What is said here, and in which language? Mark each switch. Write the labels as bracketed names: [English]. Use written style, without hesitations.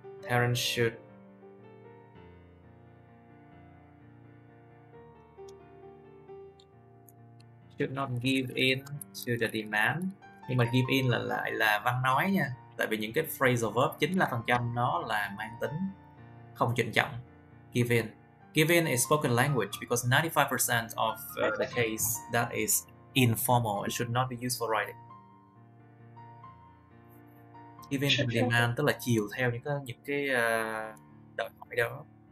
[English] Parents should not give in to the demand. [Vietnamese] Nhưng mà give in là lại là văn nói nha, tại vì những cái phrasal verb chính là phần trăm nó là mang tính không trịnh trọng. [English] Give in is spoken language because 95% of the case that is informal and should not be used for writing. Give in to the demand [Vietnamese] tức là chiều theo những cái đòi hỏi đó.